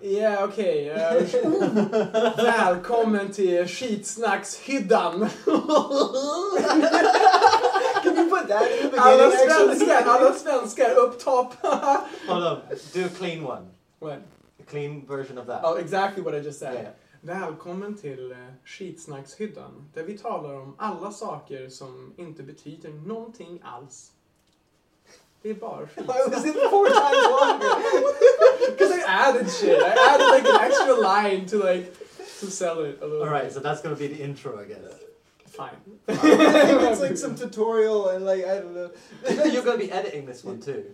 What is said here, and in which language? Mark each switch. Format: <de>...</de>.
<en>Yeah, okay.</en> <sv>Välkommen till skitsnackshyddan.</sv> <en>Can you put that in the beginning?</en> <sv>Alla svenska</sv> <en>up top. Hold on, do a clean one. What? A clean version of that. Oh, exactly what I just said. Yeah.</en> <sv>Välkommen till skitsnackshyddan, där vi talar om alla saker som inte betyder någonting alls.</sv> <en>Why was it four times longer? Because I added shit. I added like an extra line to like to sell it a little. All right, so that's gonna be the intro, I guess. Fine. It's like some tutorial and like I don't know. You're gonna be editing this one too.</en>